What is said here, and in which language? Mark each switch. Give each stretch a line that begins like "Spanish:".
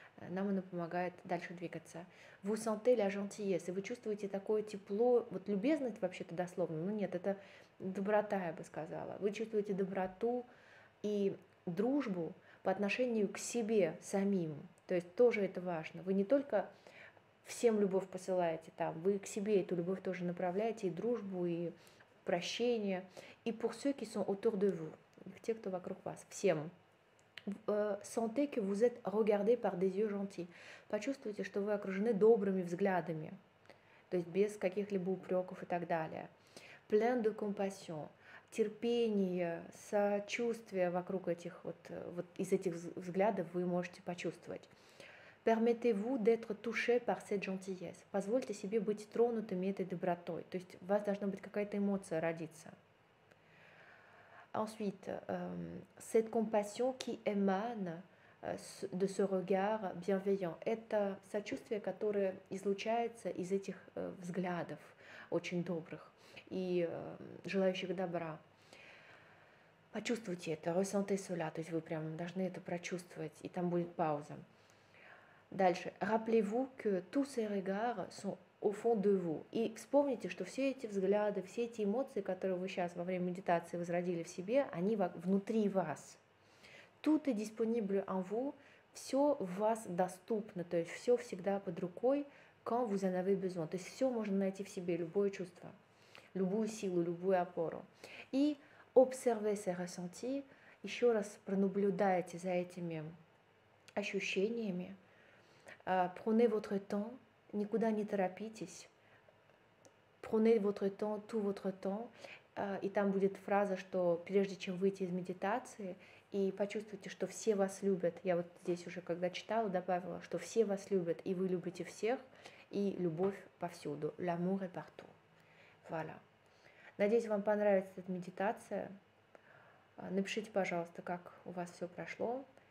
Russian: Нам оно помогает дальше двигаться.
French: Vous sentez la gentillesse,
Russian: и вы чувствуете такое тепло, вот любезность вообще-то дословно, но нет, это доброта, я бы сказала. Вы чувствуете доброту и дружбу по отношению к себе самим, то есть тоже это важно. Вы не только всем любовь посылаете там, вы к себе эту любовь тоже направляете, и дружбу, и прощение. И
French: pour ceux qui sont autour de vous,
Russian: те, кто вокруг вас, всем.
French: Sentez que vous êtes regardé par des yeux gentils.
Russian: Почувствуйте, что вы окружены добрыми взглядами, то есть без каких-либо упреков и так далее.
French: Plein de compassion,
Russian: терпение, сочувствие вокруг этих вот из этих взглядов вы можете почувствовать.
French: Permettez-vous d'être touché par cette gentillesse.
Russian: Позвольте себе быть тронутыми этой добротой, то есть у вас должна быть какая-то эмоция родиться.
French: Ensuite, cette compassion qui émane de ce regard bienveillant.
Russian: Это сочувствие, которое излучается из этих взглядов очень добрых и желающих добра. Почувствуйте это,
French: ressentez cela,
Russian: то есть вы прям должны это прочувствовать, и там будет пауза. Дальше. Rappelez-vous que tous ces regards sont au fond de vous. И вспомните, что все эти взгляды, все эти эмоции, которые вы сейчас во время медитации возродили в себе, они внутри вас.
French: Tout est disponible en vous,
Russian: все в вас доступно, то есть все всегда под рукой,
French: quand vous en avez besoin.
Russian: То есть все можно найти в себе, любое чувство, любую силу, любую опору. И
French: observez ces ressentis,
Russian: еще раз пронаблюдайте за этими ощущениями.
French: Prenez votre temps,
Russian: никуда не торопитесь.
French: Prenez votre temps, tout votre temps.
Russian: И там будет фраза, что прежде чем выйти из медитации, и почувствуйте, что все вас любят. Я вот здесь уже, когда читала, добавила, что все вас любят, и вы любите всех, и любовь повсюду.
French: L'amour est partout. Voilà.
Russian: Надеюсь, вам понравится эта медитация. Напишите, пожалуйста, как у вас все прошло.